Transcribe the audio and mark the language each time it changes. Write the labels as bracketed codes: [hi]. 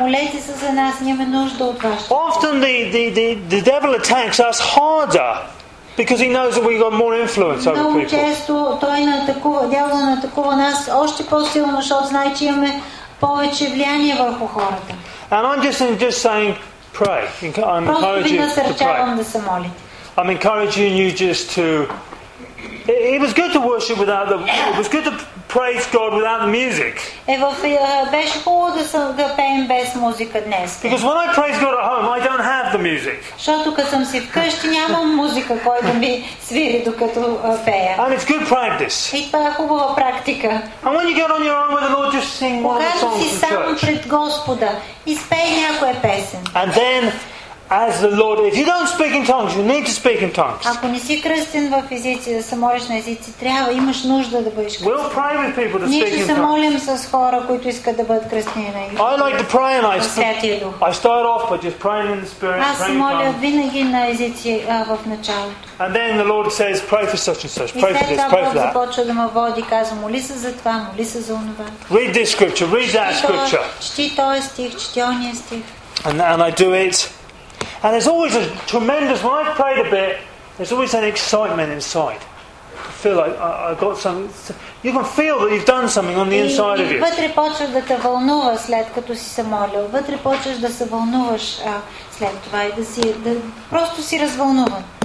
[bg] Молете се за нас, ние имаме нужда от вас. [en] Often the devil attacks us harder. Because he knows that we've got more influence over people. [bg] Много често той натакува, дявола натакува нас още по-силно, защото знае, че имаме повече влияние върху хората. [en] And I'm just saying, pray. I'm encouraging you to pray. [bg] Да се моли. [en] I'm encouraging you just to. It was good to worship without the. It was good to praise God without the music. [bg] Беше хубаво да пеем без музика днес. [en] Because when I praise God at home, I don't have the music. [bg] Защото като съм си вкъщи, нямам музика, която ми свири докато пея. [en] And it's good practice. [bg] И това е хубава практика. [en] And when you get on your own with the Lord, just sing one of the songs in church. [bg] Когато си сам пред Господа, изпей някоя песен. [en] And then. As the Lord, if you don't speak in tongues, you need to speak in tongues. [bg] Ако не си кръстен в езици, да се молиш на езици, трябва, имаш нужда да бъдеш кръстен. [en] We'll pray with people to speak in tongues. [bg] Ние ще се молим с хора, които искат да бъдат кръстени на езици. [en] I like to pray and I start off by just praying in the Spirit. [bg] Аз се моля винаги на езици в началото. [en] And then the Lord says, pray for such and such, pray for this, pray for that. [bg] И след това Бог започва да ме води, казва, моли се за това, моли се за онова. [en] Read this scripture, read that scripture. [bg] Чети този стих, чети ония стих. [en] And I do it. And there's always a tremendous, when I've prayed a bit, there's always an excitement inside. I feel like I've got some. You can feel that you've done something on the inside of you. [bg] И вътре почваш да те вълнува след като си се молил. Вътре почваш да се вълнуваш след това и да си, да просто си развълнуван.